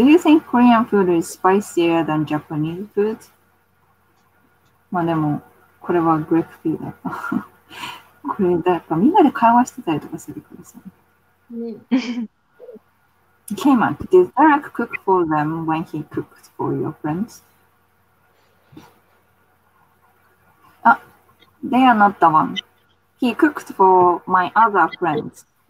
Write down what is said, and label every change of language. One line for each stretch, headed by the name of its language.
English: Do you think Korean food is spicier than Japanese food?
Japanese: まあでも、これはグレッグフィーだった。これ、やっぱみんなで会話してたりとかするからさ。ね。
English: Kayman, did Derek cook for them when he cooked for your friends? あ、they are not the one. He cooked for my other friends.